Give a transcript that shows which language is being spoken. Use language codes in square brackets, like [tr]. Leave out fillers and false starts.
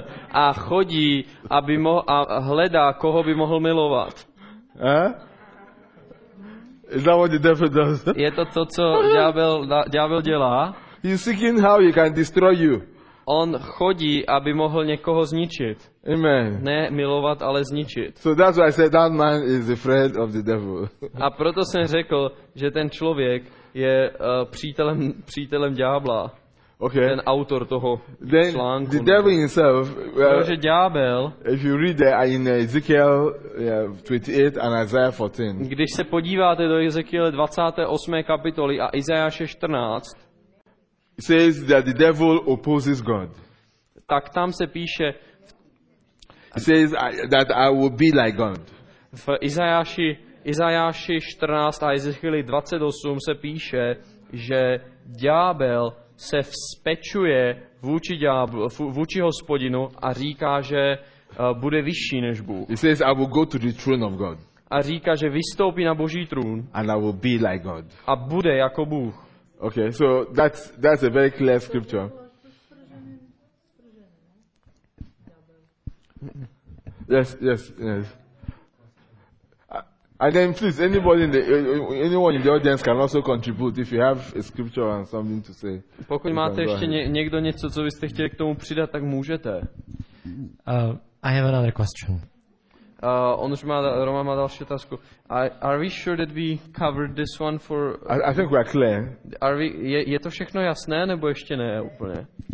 [cs] A chodí, aby a hledá, koho by mohl milovat. [en] Is that what the devil does? [cs] Je to to, co ďábel dělá. [en] He's seeking how he can destroy you. [cs] On chodí, aby mohl někoho zničit. [en] Amen. [cs] Ne milovat, ale zničit. [en] So that's why I said that man is the friend of the devil. [cs] A proto jsem řekl, že ten člověk je přítelem ďábla. [en] Okay. [cs] Ten autor toho [en] then [cs] článku. [en] The devil himself. [cs] Protože ďábel. [en] If you read there in Ezekiel 28 and Isaiah 14. [cs] Když se podíváte do Ezekiele 28. kapitoly a Izajáše 14. [en] It says that the devil opposes God. [cs] Tak tam se píše. [en] It says that I will be like God. [cs] V Izajáši 14 a Ezekieli 28 se píše, že ďábel se vzpečuje vůči Hospodinu a říká, že bude vyšší než Bůh. [en] He says I will go to the throne of God. [cs] A říká, že vystoupí na Boží trůn. [en] And I will be like God. [cs] A bude jako Bůh. [en] Okay, so that's a very clear scripture. Yes. And then please anyone in the audience can also contribute if you have a scripture and something to say. [cs] Pokud máte ještě někdo něco, co byste chtěli k tomu přidat, tak můžete. [en] I have another question. [cs] On už má Roman má další otázku. [en] Are we sure that we covered this one for I think we're clear. [cs] Je to všechno jasné nebo ještě ne úplně?